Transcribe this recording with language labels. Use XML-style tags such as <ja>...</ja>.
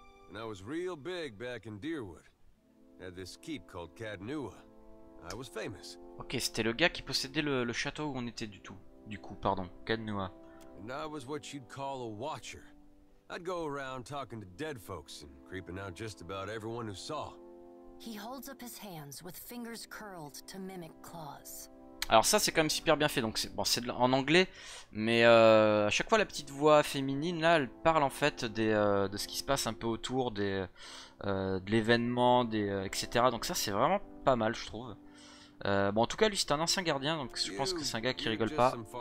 <en>And I was real big back in Deerwood. Had this keep called Cadnua. I was famous.</en> <fr>Ok, c'était le gars qui possédait le château où on était du coup, Cadnua.</fr> <en>And I was what you'd call a watcher. I'd go around talking to dead folks and creeping out just about everyone who saw. He holds up his hands with fingers curled to mimic claws.</en> <fr>Alors ça c'est quand même super bien fait, donc c'est, bon, c'est en anglais, mais à chaque fois la petite voix féminine là, elle parle en fait de ce qui se passe un peu autour des de l'événement, etc. Donc ça c'est vraiment pas mal je trouve. Bon en tout cas lui c'est un ancien gardien, donc je pense que c'est un gars qui rigole pas.</fr>